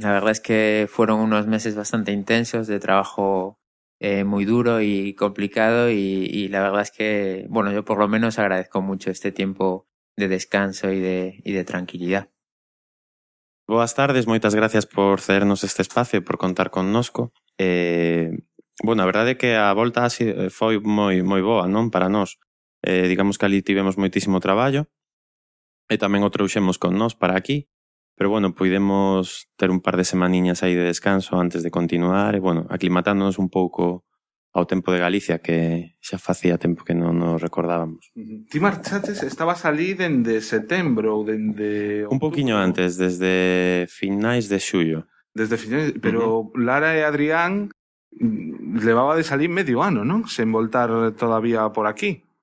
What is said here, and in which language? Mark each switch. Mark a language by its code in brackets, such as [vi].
[es] La verdad es que fueron unos meses bastante intensos de trabajo muy duro y complicado. Y la verdad es que, bueno, yo por lo menos agradezco mucho este tiempo de descanso y de tranquilidad. [gl] Boas tardes. Moitas gracias por cedernos este espacio, por contar connosco. Bueno, a verdade é que a volta foi moi moi boa, non? Para nós. Digamos que ali tivemos moitísimo traballo e tamén o trouxemos con nós para aquí. Pero bueno, puidemos ter un par de semaniñas aí de descanso antes de continuar e, bueno, aclimatándonos un pouco ao tempo de Galicia, que xa facía tempo que non nos recordábamos. Ti marchates, estabas ali dende setembro ou dende... Un pouquiño antes, desde finais de xullo. Desde finais, pero Lara e Adrián... Levaba de salir medio ano, non? Sen voltar [es] todavía [gl] por aquí.